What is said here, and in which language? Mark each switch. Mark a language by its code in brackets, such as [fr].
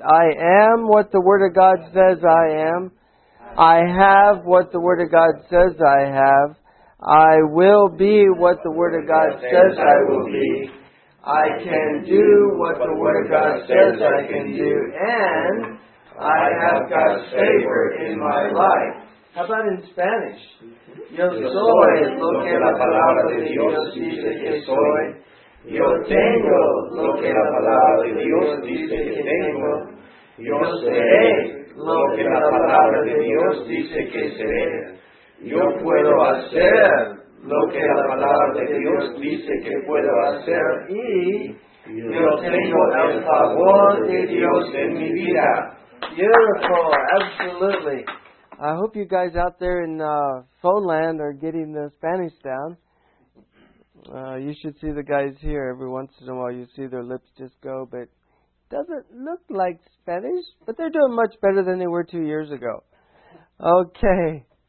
[en] I am what the Word of God says I am. I have what the Word of God says I have. I will be what the Word of God says I will be. I can do what the Word of God says I can do, and I have God's favor in my life. How about in Spanish? [es] Yo soy lo que la palabra de Dios dice que soy. Yo tengo lo que la palabra de Dios dice que tengo. Yo seré lo que la palabra de Dios dice que seré. Yo puedo hacer lo que la palabra de Dios dice que puedo hacer, y yo tengo el favor de Dios en mi vida. [en] Beautiful, absolutely. I hope you guys out there in phone land are getting the Spanish down. You should see the guys here every once in a while. You see their lips just go, but doesn't look like Spanish, but they're doing much better than they were 2 years ago. Okay.